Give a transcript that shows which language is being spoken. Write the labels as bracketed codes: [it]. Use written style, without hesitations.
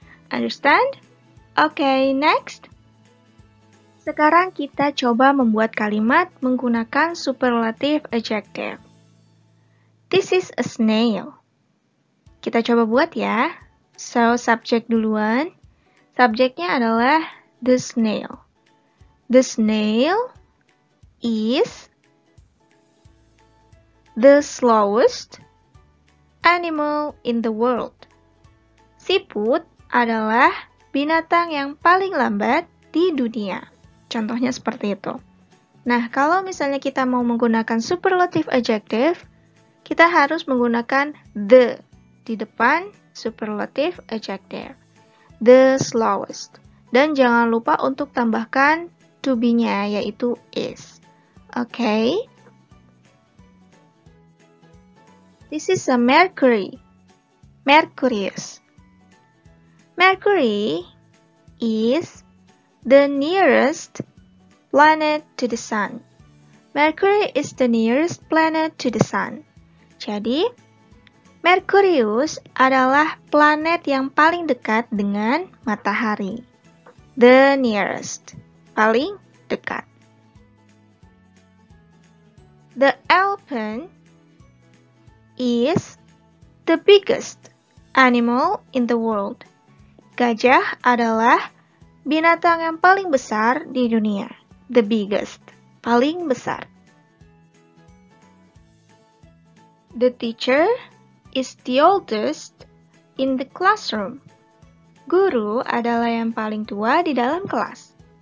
[en] Understand? Okay, next. [id] Sekarang kita coba membuat kalimat menggunakan superlative adjective. [en] This is a snail. [id] Kita coba buat ya. So, subject duluan. Subjeknya adalah the snail. [en] The snail is the slowest animal in the world. [id] Siput adalah binatang yang paling lambat di dunia. Contohnya seperti itu. Nah, kalau misalnya kita mau menggunakan superlative adjective, kita harus menggunakan the di depan superlative adjective. [en] the slowest. [id] Dan jangan lupa untuk tambahkan to be-nya, yaitu is. [en] Okay. This is a Mercury. Mercurius. Mercury is the nearest planet to the sun. Mercury is the nearest planet to the sun. [id] Jadi, Mercurius adalah planet yang paling dekat dengan matahari. [en] The nearest, [id] paling dekat. [en] The elephant is the biggest animal in the world. [id] Gajah adalah binatang yang paling besar di dunia. [en] The biggest, [id] paling besar. [en] The teacher is the oldest in the classroom. [id] Guru adalah yang paling tua di dalam kelas.